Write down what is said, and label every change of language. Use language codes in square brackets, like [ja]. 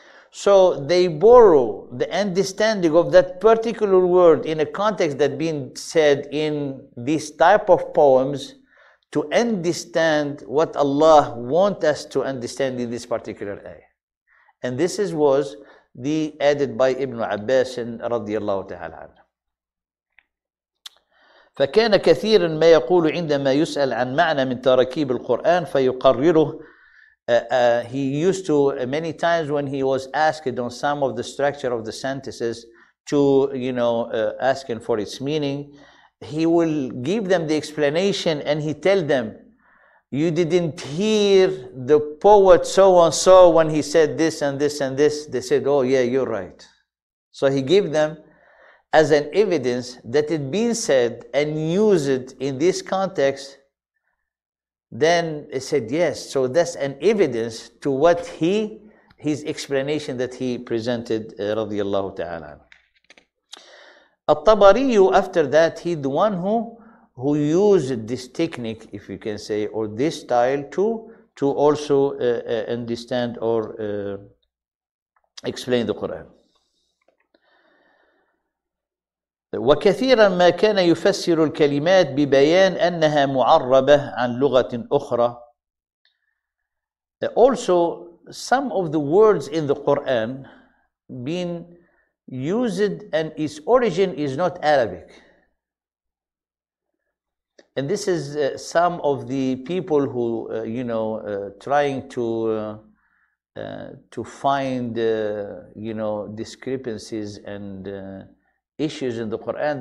[en] So they borrow the understanding of that particular word in a context that been said in this type of poems to understand what Allah wants us to understand in this particular ayah. And this is was the added by Ibn Abbas radiallahu ta'ala anhu. [ar] فكان كثيرا ما يقول عندما يسأل عن معنى من تركيب القرآن فيقرره. [en] He used to many times when he was asked on some of the structure of the sentences to, you know, asking for its meaning, he will give them the explanation and he tell them, you didn't hear the poet so and so when he said this and this and this. They said, oh yeah, you're right. So he gave them as an evidence that it been said and used in this context, then it said yes. So that's an evidence to what his explanation that he presented, radiallahu ta'ala. At-Tabari, after that, he the one who used this technique, if you can say, or this style to also understand or explain the Quran. [ar] وكثيرا ما كان يفسر الكلمات ببيان أنها معربة عن لغة أخرى. [en] Also, some of the words in the Quran being used and its origin is not Arabic. And this is some of the people who, trying to find discrepancies and issues in the Quran.